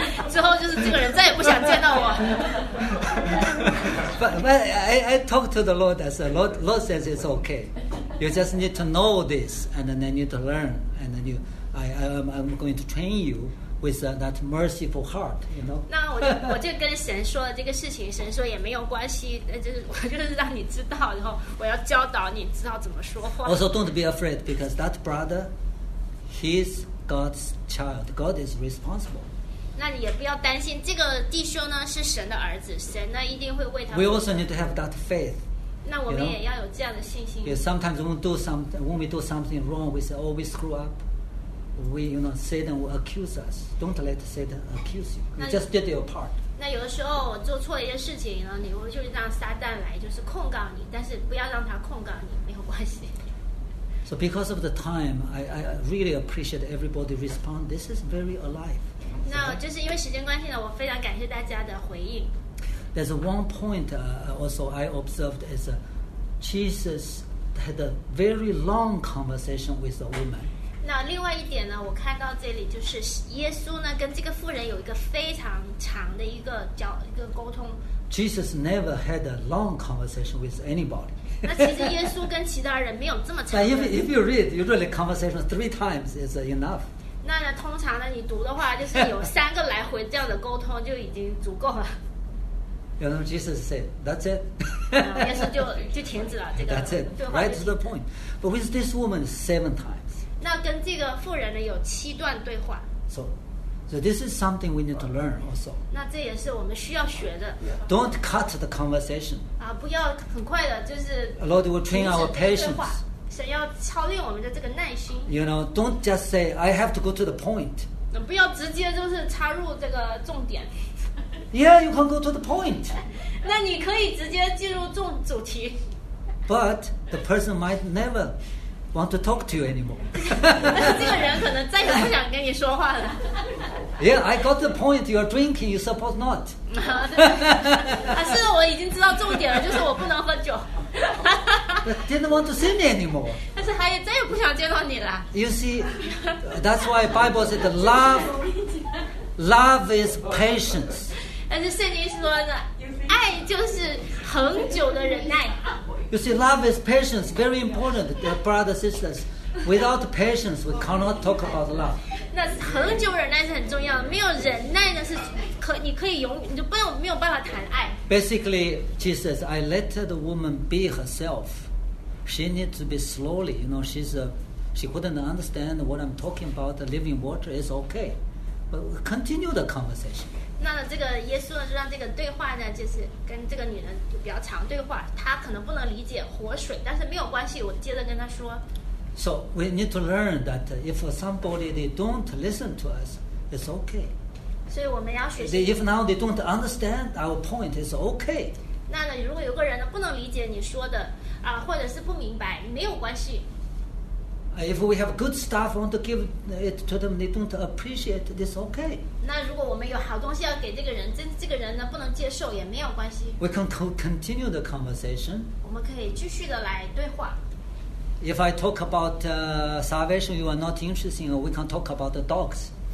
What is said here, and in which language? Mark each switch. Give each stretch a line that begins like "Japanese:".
Chinese: 之后就是这个人再也不想见到我。
English: But I talked to the Lord. I said, Lord says it's okay. You just need to know this, and then you need to learn, and then I'm going to train you with that merciful heart. You know.
Chinese: 那我就跟神说了这个事情，神说也没有关系，就是让你知道，然后我要教导你知道怎么说话。
English: Also, don't be afraid because that brother, he's God's child. God is responsible.
Chinese: 那你也不要担心，这个弟兄呢是神的儿子，神呢一定会为他。
English: We also need to have that faith.
Chinese: 那我们也要有这样的信心。
English: Yeah, sometimes when we do something wrong, we say, "Oh, we screw up." We, you know, Satan will accuse us. Don't let Satan accuse you. You just did your part.
Chinese: 那有的时候我做错一件事情呢，你我就让撒旦来就是控告你，但是不要让他控告你，没有关系。
English: So because of the time, I really appreciate everybody respond. This is very alive.
Chinese: 那就是因为时间关系呢，我非常感谢大家的回应。
English: There's one point also I observed is Jesus had a very long conversation with the woman.
Chinese: 那另外一点呢，我看到这里就是耶稣呢跟这个妇人有一个非常长的一个沟通。
English: Jesus never had a long conversation with anybody.
Chinese: 那其实耶稣跟其他人没有这么长。
English: But if you read, usually conversation three times is enough.
Chinese: 那呢通常呢，你读的话就是有三个来回这样的沟通就已经足够了。
English: You know, Jesus said, "That's it."
Chinese: 耶稣就停止了这个。
English: That's it. Right to the point. But with this woman, seven times.
Chinese: 那跟这个妇人呢有七段对话。
English: So this is something we need to learn also.
Chinese: 那这也是我们需要学的。
English: Don't cut the conversation.
Chinese: 啊，不要很快的，就是。
English: Lord will train our patience.
Chinese: 神要操练我们的这个耐心。
English: You know, don't just say I have to go to the point.
Chinese: 不要直接就是插入这个重点。
English: Yeah, you can go to the point.
Chinese: 那你可以直接进入重主题。
English: But the person might never want to talk to you anymore.
Chinese: 这个人可能再也不想跟你说话了。
English: Yeah, I got the point. You're drinking. You suppose not.
Chinese: 还是我已经知道重点了，就是我不能喝酒。
English: But didn't want to see me anymore.
Chinese: 但是还再也不想见到你了。
English: You see, that's why Bible said the love is patience.
Chinese: 但是圣经说的爱就是恒久的忍耐。
English: You see, love is patience, very important, brothers and sisters. Without patience, we cannot talk about love.
Chinese: 那恒久忍耐是很重要的，没有忍耐的是可你可以永你就没有办法谈爱。
English: Basically, Jesus, I let the woman be herself. She needs to be slowly. You know, she couldn't understand what I'm talking about. Living water is okay, but we continue the conversation.
Chinese: 那这个耶稣呢，就让这个对话呢，就是跟这个女人就比较长对话。她可能不能理解活水，但是没有关系，我接着跟她说。
English: So we need to learn that if somebody they don't listen to us, it's okay.
Chinese: 所以我们要学习。
English: If now they don't understand our point, it's okay.
Chinese: 那呢，如果有个人呢不能理解你说的啊，或者是不明白，没有关系。
English: If we have good stuff, want to give it to them, they don't appreciate it, it's okay.
Chinese: 那如果我们有好东西要给这个人，这个人呢不能接受也没有关系。
English: We can continue the conversation.
Chinese: 我们可以继续的来对话。
English: If I talk about salvation, you are not interested, we can talk about the dogs.